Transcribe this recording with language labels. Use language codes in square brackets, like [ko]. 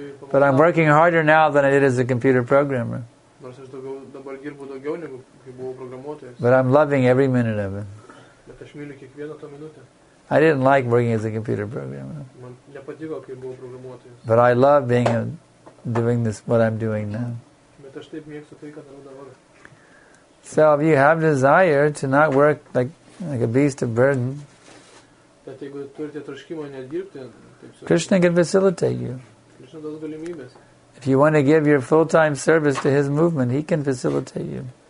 [en] But I'm working harder now than I did as a computer programmer. [lt] Nors aš dabar dirbu daugiau negu kai buvau programuotojas. [en] But I'm loving every minute of it. [lt] Bet aš myliu kiekvieną tą minutę. [en] I didn't like working as a computer programmer. [lt] Man nepatiko kai buvau programuotojas. [en] But I love being doing this what I'm doing now. [lt] Bet aš taip mėgstu tai, ką darau dabar. [en] So if you have desire to not work like a beast of burden, [lt] bet jeigu turite troškimo nedirbti, [en] Krishna can facilitate you. [lt] Krishna duos galimybes. [en] If you want to give your full-time service to his movement, he can facilitate you.